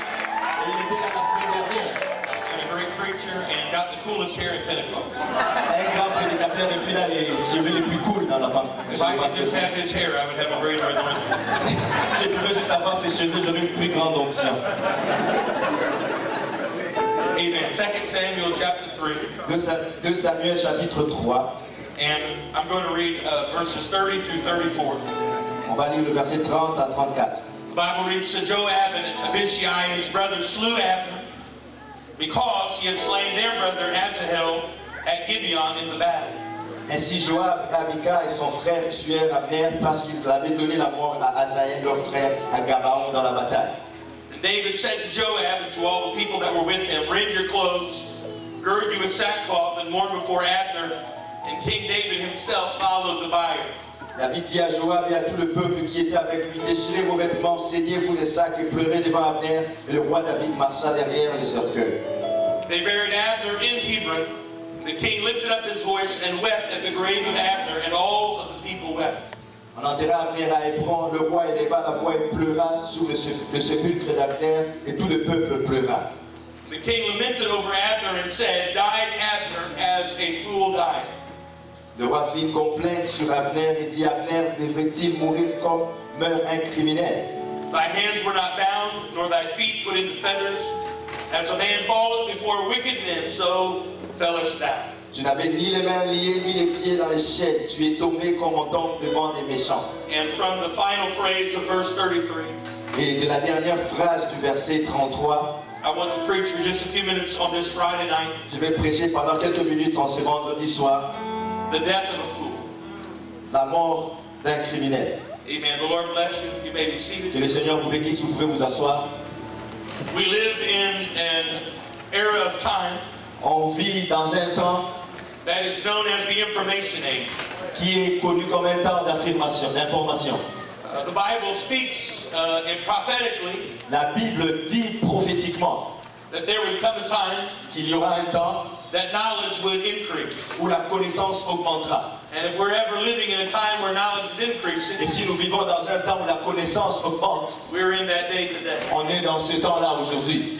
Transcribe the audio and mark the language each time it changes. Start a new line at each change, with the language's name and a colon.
French: Et il était là la semaine dernière.
English: And a great preacher and got the coolest hair at Pentecost.
French: Un grand prédicateur et puis là les cheveux les plus cool dans la
English: pomme. If I could just have his hair, I would have a greater anointing.
French: Si je pouvais juste avoir ses cheveux, j'aurais une plus grande onction.
English: Amen. 2 Samuel chapter 3.
French: 2 Samuel chapitre 3.
English: And I'm going to read verses 30 through 34.
French: On va lire le verset 30 à 34.
English: The Bible reads, so Joab and Abishai and his brothers slew Abner because he had slain their brother Asahel at Gibeon in the battle.
French: Ainsi Joab, Abika et son frère tuèrent Abner parce qu'ils avaient donné la mort à Asahel, leur frère, à Gabaon dans la bataille.
English: David said to Joab and to all the people that were with him, rend your clothes, gird you with sackcloth, and mourn before Abner, And King David himself followed the buyer.
French: David dit à Joab et à tout le peuple qui était avec lui, déchirez vos vêtements, saignez-vous des sacs et pleurez devant Abner. Et le roi David marcha derrière les cercueils.
English: They buried Abner in Hebron. The king lifted up his voice and wept at the grave of Abner, and all of the people wept.
French: On enterra Abner à Hébron, le roi éleva la voix et pleura sous le sépulcre d'Abner, et tout le peuple pleura.
English: The king lamented over Abner and said, died Abner as a fool died.
French: Le roi fit une complainte sur Abner et dit, Abner devrait-il mourir comme meurt un criminel?
English: Thy hands were not bound, nor thy feet put into fetters. As a man falleth before wicked men, so fellest thou.
French: Tu n'avais ni les mains liées, ni les pieds dans les chaînes. Tu es tombé comme on tombe devant des méchants.
English: And from the final phrase of verse 33,
French: et de la dernière phrase du verset 33,
English: I want to preach for just a few minutes on this Friday night.
French: Je vais prêcher pendant quelques minutes en ce vendredi soir.
English: The death of a fool.
French: La mort d'un criminel.
English: Amen. The Lord bless you. You may be seated.
French: Que le Seigneur vous bénisse. Vous pouvez vous asseoir.
English: We live in an era of time.
French: On vit dans un temps
English: that is known as the information age.
French: Qui est connu comme un temps d'affirmation, d'information.
English: The Bible speaks prophetically.
French: La Bible dit prophétiquement
English: that there would come a time
French: qu'il y aura un temps
English: that knowledge would increase.
French: Où la connaissance augmentera.
English: And if we're ever living in a time where knowledge is increasing,
French: et si nous vivons dans un temps où la connaissance augmente,
English: we're in that day today.
French: On est dans ce temps-là aujourd'hui.